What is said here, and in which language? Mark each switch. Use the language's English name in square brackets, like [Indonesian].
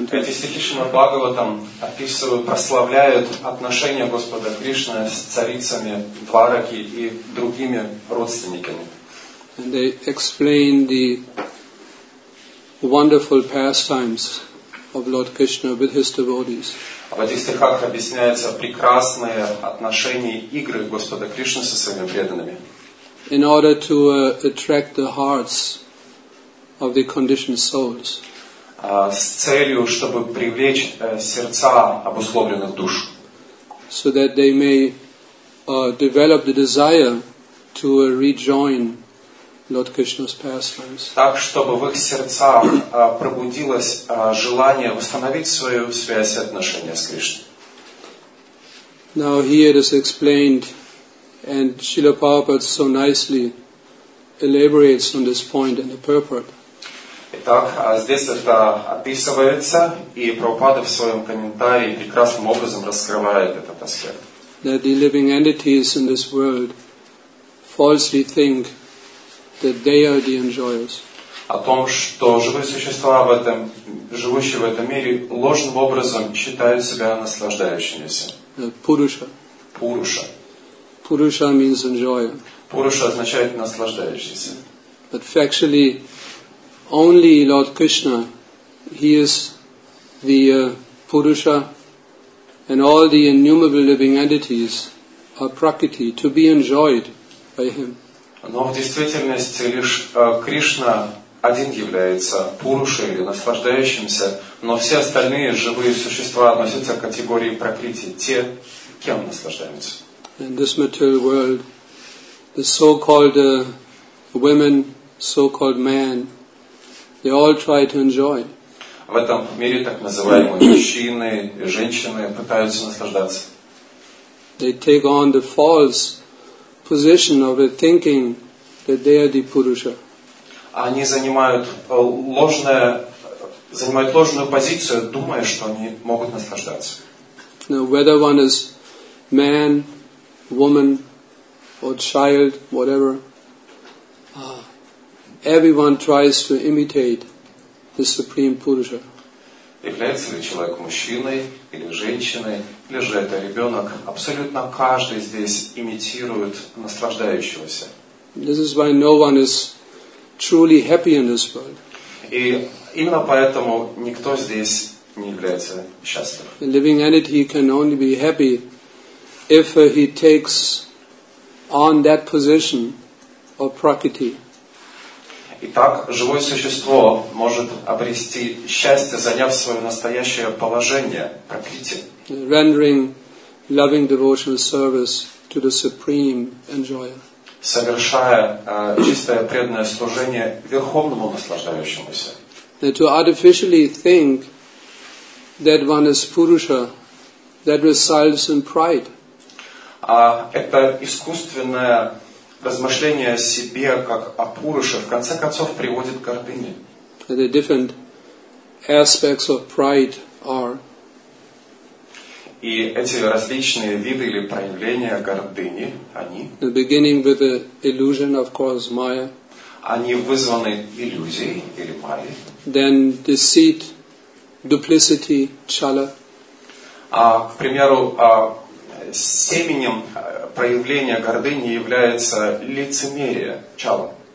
[Russian] Эти стихи Шримад Бхагаватам описывают, прославляют отношения Господа Кришны с царицами Двараки и другими родственниками. [English] And they explain the wonderful pastimes of Lord Krishna with his devotees. [Russian] В этих стихах объясняются прекрасные отношения, игры Господа Кришны со своими преданными. [English] In order to attract the hearts of the conditioned souls. [Russian] С целью, чтобы привлечь сердца обусловленных душ. [English] So that they may develop the desire to rejoin Lord Krishna's pastimes. [Russian] Так, чтобы в их сердцах пробудилось желание восстановить свою связь и отношения с Кришной. [English] Now here it is explained, and Srila Prabhupada so nicely elaborates on this point and the purport. [Russian] Итак, здесь это описывается, и Прабхупада в своем комментарии прекрасным образом раскрывает этот аспект. [English] That the living entities in this world falsely think that they are the enjoyers. [Russian] О том, что живые существа в этом, живущие в этом мире, ложным образом считают себя наслаждающимися. Пуруша. Пуруша. [English] Пуруша means enjoyer. [Russian] Пуруша означает наслаждающийся. [English] But factually, only Lord Krishna, he is the Purusha, and all the innumerable living entities are prakriti, to be enjoyed by him. [Russian] Но в действительности лишь Кришна один является Пурушей или наслаждающимся, но все остальные живые существа относятся к категории прокрити, те, кем наслаждаются. [English] In this material world, the so-called women, so-called men, they all try to enjoy. [Russian] В этом мире так называемые мужчины и женщины пытаются наслаждаться. [English] They take on the false position of thinking that they are the Purusha. [Russian] Они занимают ложную позицию, думая, что они могут наслаждаться. [English] Now, whether one is man, woman, or child, whatever, everyone tries to imitate the Supreme Purusha. [Russian] Является ли человек мужчиной или женщиной, или же это ребенок? Абсолютно каждый здесь имитирует наслаждающегося. [English] This is why no one is truly happy in this world. [Russian] И именно поэтому никто здесь не является счастлив. [English] A living entity can only be happy if he takes on that position of prakriti. [Russian] Итак, живое существо может обрести счастье, заняв свое настоящее положение, прокрити. [English] Rendering loving devotional service to the supreme enjoyer. [Russian] Совершая чистое преданное служение верховному наслаждающемуся. [English] And to artificially think that one is Purusha, that results in pride. [Russian] А это искусственное размышление о себе как о Пуруше в конце концов приводит к гордыне. [English] The different aspects of pride are. [Russian] И эти различные виды или проявления гордыни, они. [English] The beginning with the illusion, of course, Maya. [Russian] Они вызваны иллюзией или Майей. [English] Then deceit, duplicity, Chala. [Russian] А, к примеру, семенем проявления гордыни является лицемерие, чала.